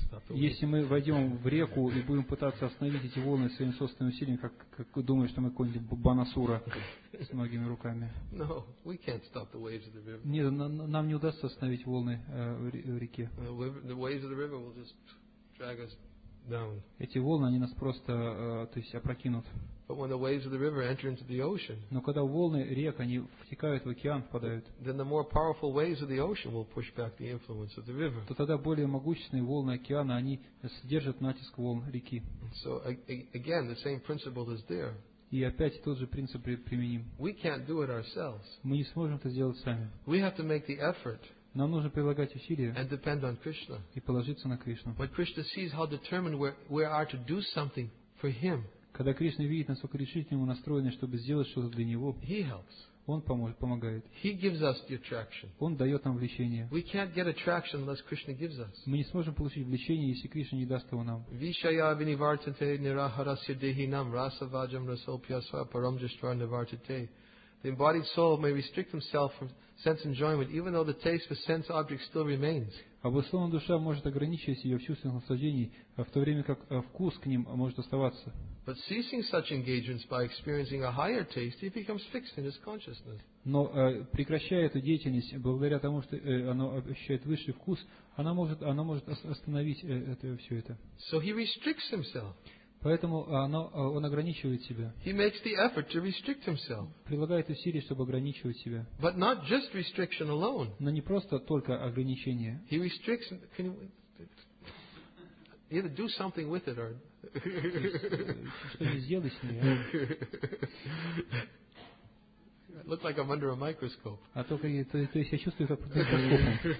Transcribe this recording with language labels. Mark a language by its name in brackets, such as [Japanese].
[Russian] Если мы войдем в реку и будем пытаться остановить эти волны своим собственным усилием, как думаешь, что мы какой-нибудь банасура с многими руками. [English] No, we can't stop the waves of the river. [Russian] Нет, нам не удастся остановить волны в реке. [English] The waves of the river will just drag us down. [Russian] Эти волны, они нас просто, то есть, опрокинут. [English] But when the waves of the river enter into the ocean, [Russian] но когда волны рек, они втекают в океан, впадают, [English] then the more powerful waves of the ocean will push back the influence of the river. [Russian] То тогда более могущественные волны океана, они сдержат натиск волн реки. [English] So again, the same principle is there. [Russian] И опять тот же принцип применим. [English] We can't do it ourselves. [Russian] Мы не сможем это сделать сами. [English] We have to make the effort. [Russian] Нам нужно прилагать усилия [English] and depend on Krishna. [Russian] И положиться на Кришну. [English] When Krishna sees how determined we are to do something for Him. [Russian] Когда Кришна видит, насколько решительно мы настроены, чтобы сделать что-то для Него, [English] He helps. [Russian] Он помогает. [English] He gives us the attraction. [Russian] Он дает нам влечение. [English] We can't get attraction unless Krishna gives us. [Russian] Мы не сможем получить влечение, если Кришна не даст его нам. [Sanskrit] Вишая винивартите нирахарасья дехинам расаваджам расопьясва парамджиштра нивартите. [English] The embodied soul may restrict himself from sense enjoyment, even though the taste for sense objects still remains. [Russian] Обусловленная душа может ограничивать ее в чувственных наслаждениях, в то время как вкус к ним может оставаться. [English] But ceasing such engagements by experiencing a higher taste, he becomes fixed in his consciousness. [Russian] Но прекращая эту деятельность, благодаря тому, что оно ощущает высший вкус, она может остановить все это. [English] So he restricts himself. [Russian] Поэтому он ограничивает себя. [English] He makes the effort to restrict himself. [Russian] Прилагает усилия, чтобы ограничивать себя. [English] But not just restriction alone. [Russian] Но не просто только ограничение. [English] He restricts. Can you either do something with it or [Russian] что-нибудь сделай с ним. [English] Look like I'm under a microscope. [Russian] А только то есть я чувствую, как под микроскопом.